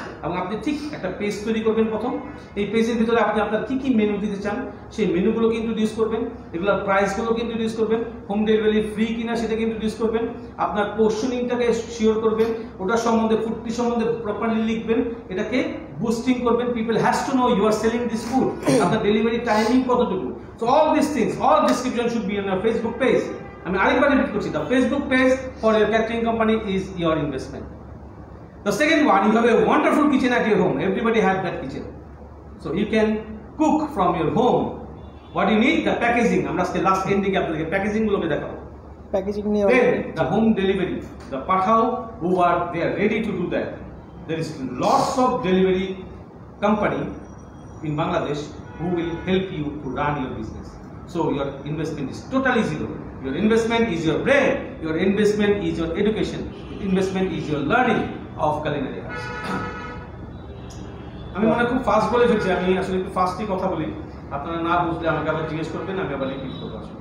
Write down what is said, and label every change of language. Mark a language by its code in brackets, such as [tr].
[bn] এবং আপনি ঠিক একটা পেজ তৈরি করবেন, প্রথম এই পেজের ভিতরে আপনি আপনার কী কী মেনু দিতে চান সেই মেনুগুলোকে ইন্ট্রোডিউস করবেন, এগুলোর প্রাইসগুলোকে ইন্ট্রোডিউস করবেন, হোম ডেলিভারি ফ্রি কিনা সেটাকে ইন্ট্রোডিউস করবেন, আপনার পোশনিংটাকে শিওর করবেন, ওটার সম্বন্ধে ফুডটি সম্বন্ধে প্রপারলি লিখবেন, এটাকে বুস্টিং করবেন, [en] people has to know you are selling this food, [bn] আপনার ডেলিভারি টাইমিং কতটুকু। [en] So all this things, all description should be in your Facebook page. [bn] আমি আরেকবার রিপিট করছি, [en] The Facebook page for your catering company is your investment. The second one, you have a wonderful kitchen at your home. Everybody has that kitchen. So you can cook from your home. What you need? The packaging. I'm just the last ending. Packaging will be the cover. Packaging. Then the home delivery. The pathao who are, they are ready to do that. There is lots of delivery company in Bangladesh who will help you to run your business. So your investment is totally zero. Your investment is your brain. Your investment is your education. Your investment is your learning of culinary arts. [bn] আমি মানে খুব fast বলে ফেলছি, আমি আসলে একটু ফাস্টই কথা বলি, আপনারা না বুঝলে আমাকে আবার জিজ্ঞেস করবেন, আমি আবার লিখিত করবো।